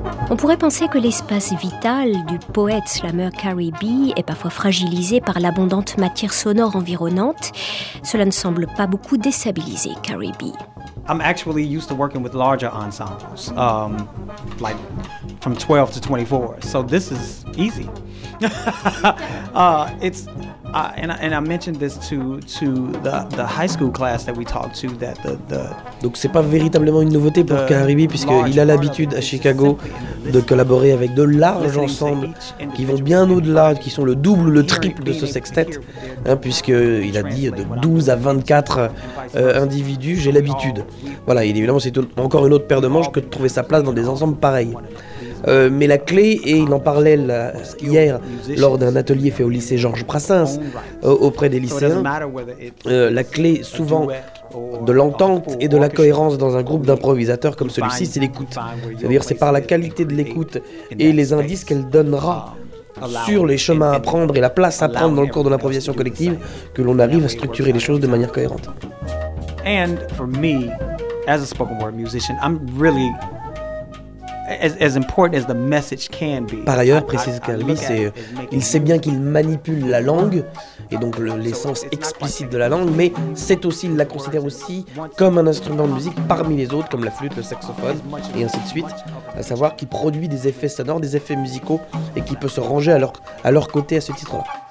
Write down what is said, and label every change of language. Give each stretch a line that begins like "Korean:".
French: On pourrait penser que l'espace vital du poète slammer Carrie B est parfois fragilisé par l'abondante matière sonore environnante. Cela ne semble pas beaucoup déstabiliser Carrie B.
English: I'm actually used to working with larger ensembles, like from 12 to 24. So this is easy.
French: Donc c'est pas véritablement une nouveauté pour Caribbee puisqu'il a l'habitude à Chicago de collaborer avec de larges ensembles qui vont bien au-delà, qui sont le double, le triple de ce sextet, hein, puisqu'il a dit de 12 à 24 individus, j'ai l'habitude. Voilà, et évidemment c'est encore une autre paire de manches que de trouver sa place dans des ensembles pareils. Mais la clé, et il en parlait hier lors d'un atelier fait au lycée Georges Brassens auprès des lycéens, la clé souvent de l'entente et de la cohérence dans un groupe d'improvisateurs comme celui-ci, c'est l'écoute. C'est-à-dire c'est par la qualité de l'écoute et les indices qu'elle donnera sur les chemins à prendre et la place à prendre dans le cours de l'improvisation collective que l'on arrive à structurer les choses de manière cohérente.
English: And for me, as a spoken word musician, I'm really... As important as the message can be.
French: Par ailleurs, précise Calvi, il sait bien qu'il manipule la langue, et donc l'essence explicite de la langue, mais c'est aussi, il la considère aussi comme un instrument de musique parmi les autres, comme la flûte, le saxophone, et ainsi de suite, à savoir qu'il produit des effets sonores, des effets musicaux, et qu'il peut se ranger à leur côté à ce titre-là.